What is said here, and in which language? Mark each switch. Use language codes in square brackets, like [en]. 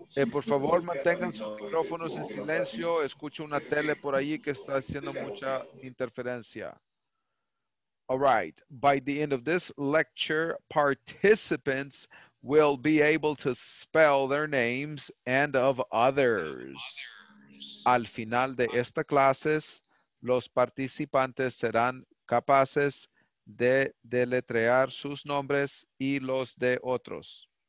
[es] Por favor, mantengan sus micrófonos en silencio. Escucho una tele por ahí que está haciendo mucha interferencia. [en] All right. By the end of this lecture, participants will be able to spell their names and of others. [es] Al final de esta clase, los participantes serán capaces de deletrear sus nombres y los de otros.